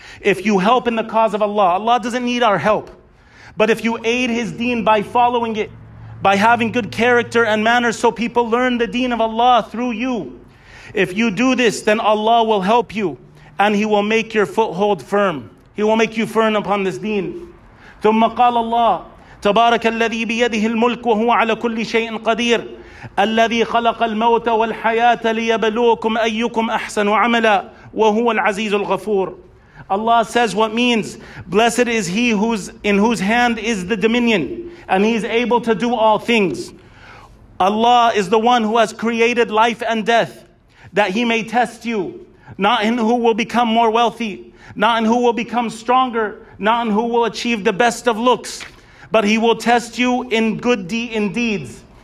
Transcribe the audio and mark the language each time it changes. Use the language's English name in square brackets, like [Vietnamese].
[English] If you help in the cause of Allah, Allah doesn't need our help. But if you aid His deen by following it, by having good character and manners so people learn the deen of Allah through you, if you do this, then Allah will help you and He will make your foothold firm. He will make you firm upon this deen. [Arabic] ثُمَّ قَالَ اللَّهُ تَبَارَكَ الَّذِي بِيَدِهِ الْمُلْكُ وَهُوَ عَلَى كُلِّ شَيْءٍ قَدِيرٌ الذي خلق الموت والحياة ليبلوكم أيكم أحسن عملا وهو العزيز الغفور. [English] Allah says, what means, blessed is He in whose hand is the dominion and He is able to do all things. Allah is the one who has created life and death, that He may test you, not in who will become more wealthy, not in who will become stronger, not in who will achieve the best of looks, but He will test you in good deeds.